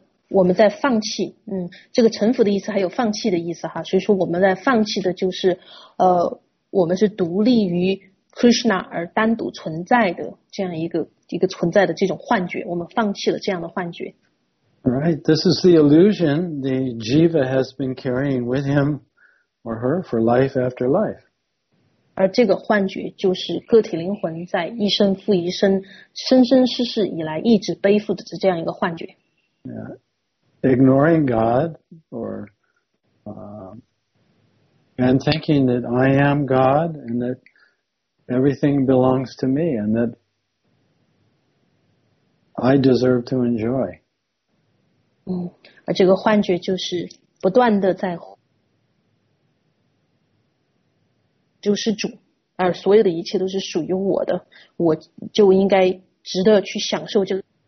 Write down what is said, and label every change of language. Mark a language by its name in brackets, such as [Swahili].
[Chinese] 我们在放弃，这个臣服的意思还有放弃的意思哈，所以说我们在放弃的就是，我们是独立于Krishna 而单独存在的这样一个存在的这种幻觉，我们放弃了这样的幻觉。 [English] Right, this is the illusion the jiva has been carrying with him or her for life after life. [Chinese] 而这个幻觉就是个体灵魂在一生复一生、生生世世以来一直背负的这样一个幻觉。 [English] Yeah, ignoring God or and thinking that I am God and that. Everything belongs to me and that I deserve to enjoy. [Chinese] 而这个幻觉就是不断的在就是主，而所有的一切都是属于我的，我就应该值得去享受这个。